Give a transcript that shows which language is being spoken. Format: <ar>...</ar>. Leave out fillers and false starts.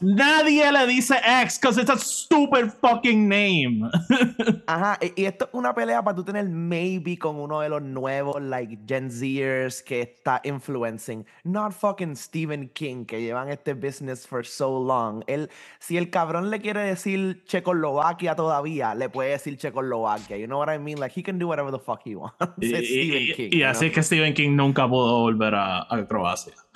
<es>Nadie le dice ex,</es> <en>because it's a stupid fucking name.</en> <es>Ajá, y esto es una pelea para tú tener maybe con uno de los nuevos, like Gen Zers, que está influencing.</es> <en>Not fucking Stephen King,</en> <es>que llevan este</es> <en>business for so long.</en> <es>Si el cabrón le quiere decir Checoslovaquia todavía, le puede decir Checoslovaquia.</es> <en>You know what I mean? Like, he can do whatever the fuck he wants. It's Stephen King.</en> <es>Y así es que Stephen King nunca pudo volver a Croacia.</es>